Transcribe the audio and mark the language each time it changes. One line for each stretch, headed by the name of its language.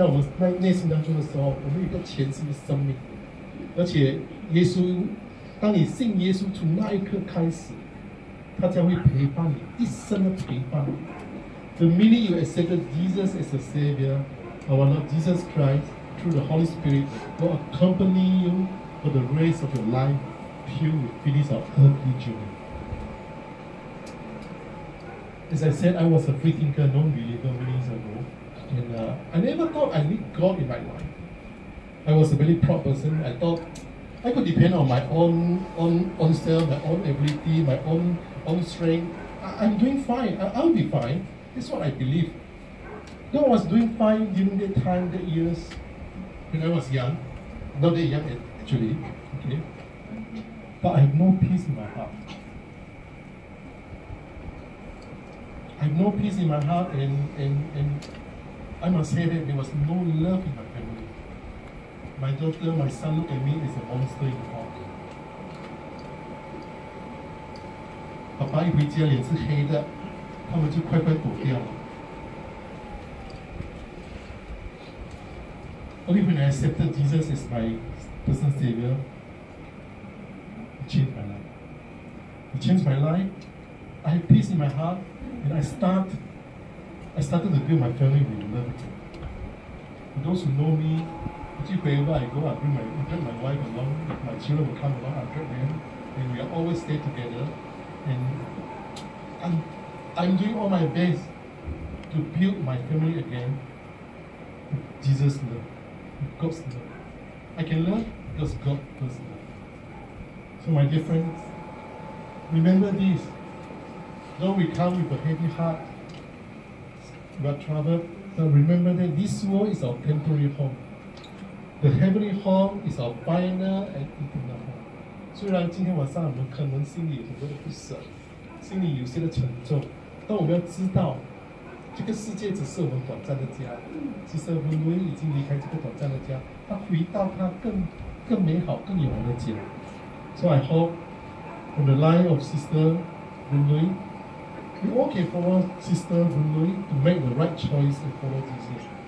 Chinese: 耶稣不只是道路真理，他也是生命。凡信靠耶稣的人，我们就有一个新的生命。圣灵进入在我们内心当中的时候，我们有一个全新的生命。而且耶稣，当你信耶稣从那一刻开始，他将会陪伴你，一生的陪伴你。
English: The minute you accepted Jesus as a Savior, our Lord Jesus Christ, through the Holy Spirit, will accompany you for the rest of your life, till you finish our earthly journey. As I said, I was a free thinker, non-believer many years ago, and I never thought I need God in my life. I was a very proud person. I thought I could depend on my own self, my own ability, my own strength. I'm doing fine. I'll be fine. That's what I believe. Though I was doing fine during that time, that years, when I was young, not that young actually, okay? But I have no peace in my heart. I have no peace in my heart, and I must say that there was no love in my family. My daughter, my son looked at me as a monster in the heart.
Chinese: 爸爸一回家脸是黑的, 他们就快快躲掉了。
English: Only when I accepted Jesus as my personal savior, it changed my life. It changed my life. I have peace in my heart, and I started to build my family with love. And those who know me, wherever I go, I bring my, in fact, my wife along, my children will come along, I bring them, and we are always stay together. And I'm doing all my best to build my family again with Jesus' love. God's love. I can love because God does love. So my dear friends, remember this. Though we come with a heavy heart, we are troubled, but remember that this world is our temporary home. The heavenly home is our final and eternal home.
Chinese: 虽然今天晚上我们可能心里有很多的不舍，心里有些的沉重，但我们要知道， 这个世界只是我们短暂的家，其实文伦已经离开这个短暂的家，他回到他更美好、更永恒的家。
English: So I hope from the line of Sister Boon Lui, we all can follow Sister Boon Lui to make the right choice and follow Jesus.